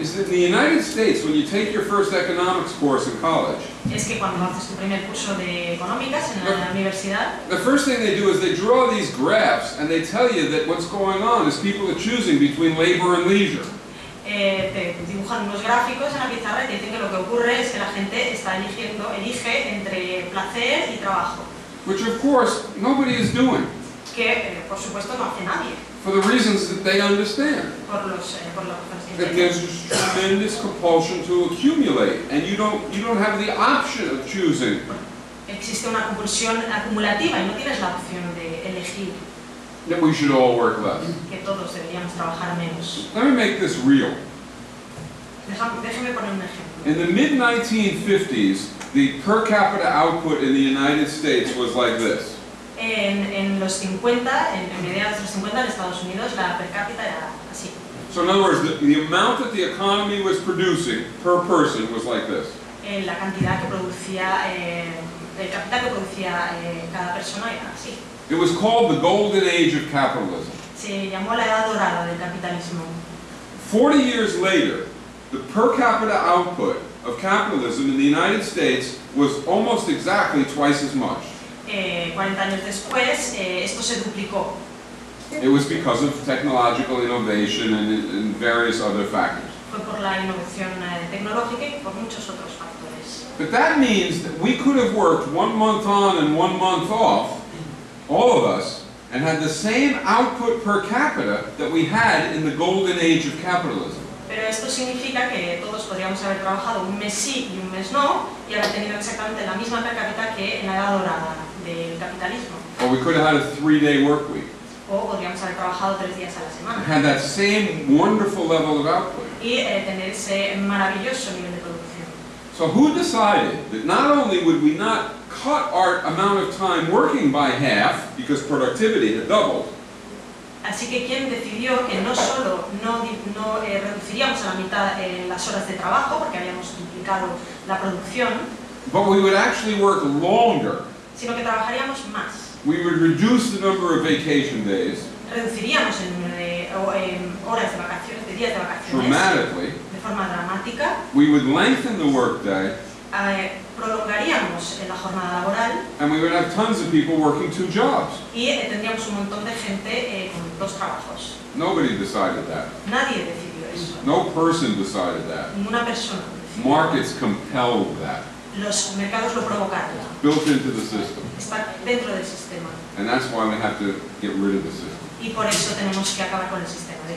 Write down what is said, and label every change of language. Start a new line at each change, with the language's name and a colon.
English: Is that in the United States, when you take your first economics course in college?
Spanish: Es que cuando haces tu primer curso de económicas en la universidad.
English: The first thing they do is they draw these graphs and they tell you that what's going on is people are choosing between labor and leisure.
Spanish: Te dibujan unos gráficos en la pizarra y te dicen que lo que ocurre es que la gente está eligiendo, elige entre placer y trabajo.
English: Which of course nobody is doing.
Spanish: Que por supuesto no hace nadie.
English: For the reasons that they understand.
Spanish: Por las razones que entienden.
English: There's a tremendous compulsion to accumulate, and you don't have the option of choosing.
Spanish: Existe una compulsión acumulativa y no tienes la opción de elegir.
English: That we should all work less.
Spanish: Que todos deberíamos trabajar menos.
English: Let me make this real.
Spanish: Déjame poner un ejemplo.
English: In the mid-1950s, the per capita output in the United States was like this.
Spanish: En los 50, en mediados de los 50 en Estados Unidos, la per cápita era así.
English: So in other words, the amount that the economy was producing per person was like this.
Spanish: La cantidad que producía, el capital que producía cada persona era así.
English: It was called the golden age of capitalism.
Spanish: Se llamó la edad dorada del capitalismo.
English: 40 years later, the per capita output of capitalism in the United States was almost exactly twice as much.
Spanish: 40 años después, esto se duplicó.
English: It was because of technological innovation and various other factors.
Spanish: Fue por la innovación tecnológica y por muchos otros factores.
English: But that means that we could have worked 1 month on and 1 month off, all of us, and had the same output per capita that we had in the golden age of capitalism.
Spanish: Pero esto significa que todos podríamos haber trabajado un mes sí y un mes no y haber tenido exactamente la misma per cápita que en la edad dorada del capitalismo.
English: Or we could have had a 3-day work week.
Spanish: O podríamos haber trabajado 3 días a la semana.
English: And had that same wonderful level of output.
Spanish: Y tener ese maravilloso nivel de producción.
English: So who decided that not only would we not cut our amount of time working by half because productivity had doubled?
Spanish: Así que quién decidió que no solo no reduciríamos a la mitad las horas de trabajo porque habíamos duplicado la producción,
English: but we would actually work longer.
Spanish: Sino que trabajaríamos más.
English: We would reduce the number of vacation days.
Spanish: Reduciríamos el número de horas de vacaciones, de días de vacaciones.
English: Dramatically.
Spanish: De forma dramática.
English: We would lengthen the workday.
Spanish: Prolongaríamos la jornada laboral.
English: And we would have tons of people working two jobs.
Spanish: Y tendríamos un montón de gente con dos trabajos.
English: Nobody decided that.
Spanish: Nadie decidió eso.
English: No person decided that.
Spanish: Ninguna persona decidió.
English: Markets compelled that.
Spanish: Los mercados lo provocaron.
English: Built into the system.
Spanish: Está dentro del sistema.
English: And that's why we have to get rid of the system.
Spanish: Y por eso tenemos que acabar con el sistema.